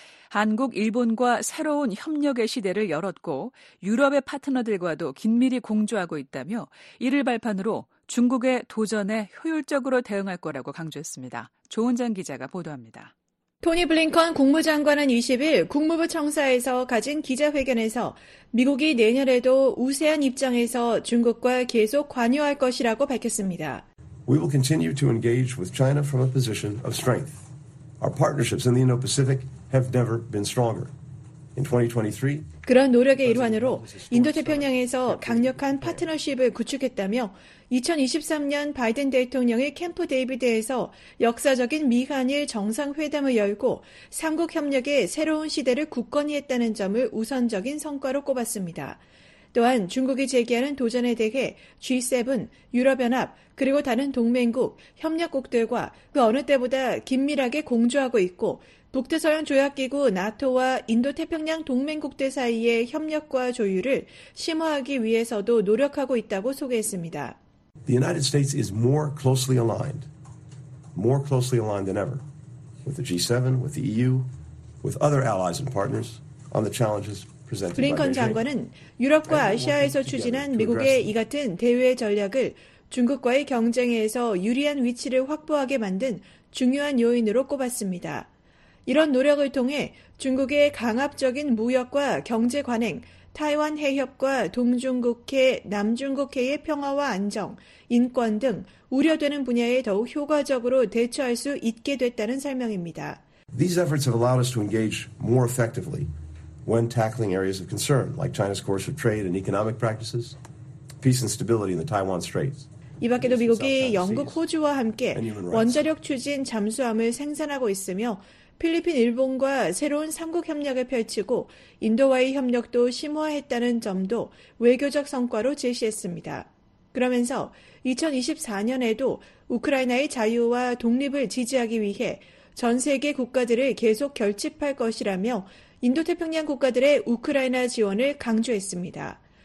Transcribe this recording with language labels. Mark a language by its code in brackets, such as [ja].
[ko] 한국, 일본과 새로운 협력의 시대를 열었고 유럽의 파트너들과도 긴밀히 공조하고 있다며 이를 발판으로 중국의 도전에 효율적으로 대응할 거라고 강조했습니다. 조은정 기자가 보도합니다. 토니 블링컨 국무장관은 20일 국무부 청사에서 가진 기자회견에서 미국이 내년에도 우세한 입장에서 중국과 계속 관여할 것이라고 밝혔습니다. [en] We will continue to engage with China from a position of strength. Our partnerships in the Indo-Pacific have never been stronger. [ko] 그런 노력의 일환으로 인도태평양에서 강력한 파트너십을 구축했다며 2023년 바이든 대통령의 캠프 데이비드에서 역사적인 미한일 정상회담을 열고 삼국 협력의 새로운 시대를 굳건히 했다는 점을 우선적인 성과로 꼽았습니다. 또한 중국이 제기하는 도전에 대해 G7, 유럽연합 그리고 다른 동맹국, 협력국들과 그 어느 때보다 긴밀하게 공조하고 있고 북태서양 조약기구 나토와 인도태평양 동맹국들 사이의 협력과 조율을 심화하기 위해서도 노력하고 있다고 소개했습니다. [en] The United States is more closely aligned than ever with the G7, with the EU, with other allies and partners on the challenges. [ko] 블링컨 장관은 유럽과 아시아에서 추진한 미국의 이 같은 대외 전략을 중국과의 경쟁에서 유리한 위치를 확보하게 만든 중요한 요인으로 꼽았습니다. 이런 노력을 통해 중국의 강압적인 무역과 경제 관행, 타이완 해협과 동중국해, 남중국해의 평화와 안정, 인권 등 우려되는 분야에 더욱 효과적으로 대처할 수 있게 됐다는 설명입니다. [en] These efforts have allowed us to engage more effectively. When tackling areas of concern like China's course of trade and economic practices, peace and stability in the Taiwan Straits. [ko] 이 밖에도 미국이 영국, 호주와 함께 원자력 추진 잠수함을 생산하고 있으며 필리핀, 일본과 새로운 삼국 협력을 펼치고 인도와의 협력도 심화했다는 점도 외교적 성과로 제시했습니다. 그러면서 2024년에도 우크라이나의 자유와 독립을 지지하기 위해 전 세계 국가들을 계속 결집할 것이라며 인도태평양 국가들의 우크라이나 지원을 강조했습니다.